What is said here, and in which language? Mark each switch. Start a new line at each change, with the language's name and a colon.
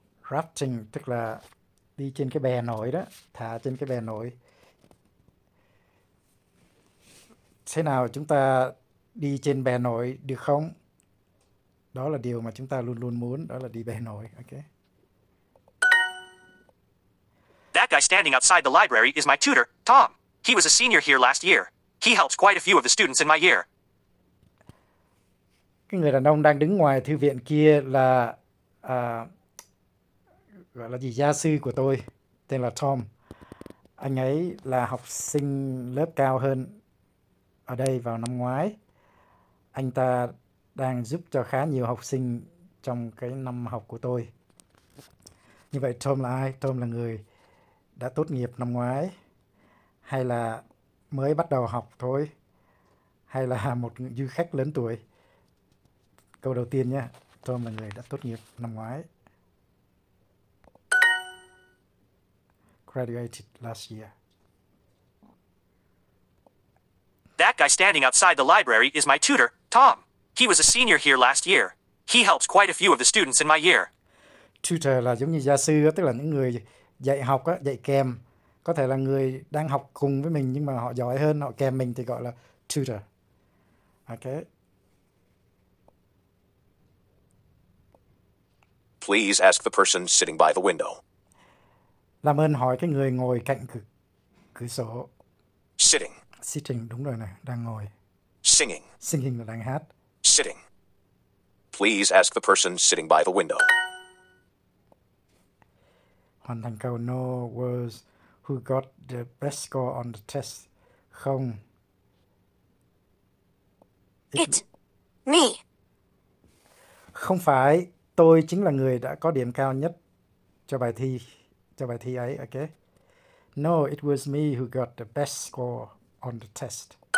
Vietnamese: Rafting tức là đi trên cái bè nổi đó, thả trên cái bè nổi. Thế nào chúng ta đi trên bè nổi được không? Đó là điều mà chúng ta luôn luôn muốn, đó là đi bè nổi, ok?
English: guy standing outside the library is my tutor, Tom. He was a senior here last year. He helps quite a few of the students in my year.
Vietnamese: Cái người đàn ông đang đứng ngoài thư viện kia là gọi là gì, gia sư của tôi, tên là Tom. Anh ấy là học sinh lớp cao hơn ở đây vào năm ngoái. Anh ta đang giúp cho khá nhiều học sinh trong cái năm học của tôi. Như vậy Tom là ai? Tom là người đã tốt nghiệp năm ngoái, hay là mới bắt đầu học thôi, hay là một du khách lớn tuổi? Câu đầu tiên nhé, Tom là người đã tốt nghiệp năm ngoái.
English: Graduated last year. That guy standing outside the library is my tutor, Tom. He was a senior here last year. He helps quite a few of the students in my year.
Vietnamese: Tutor là giống như gia sư, tức là những người dạy học, dạy kèm. Có thể là người đang học cùng với mình nhưng mà họ giỏi hơn, họ kèm mình thì gọi là tutor.
English: Okay. Please ask the person sitting by the window.
Vietnamese: Làm ơn hỏi cái người ngồi cạnh cửa sổ.
English: Sitting.
Vietnamese: Sitting, đúng rồi nè, đang ngồi.
English: Singing.
Vietnamese: Singing là đang hát.
English: Sitting. Please ask the person sitting by the window.
Vietnamese: Hoàn thành câu
English: no was who got the best score on the test.
Vietnamese: Không.
English: It. Me.
Vietnamese: Không phải, tôi chính là người đã có điểm cao nhất cho bài thi. Cho bài thi ấy, okay?
English: No, it was me who got the best score on the test.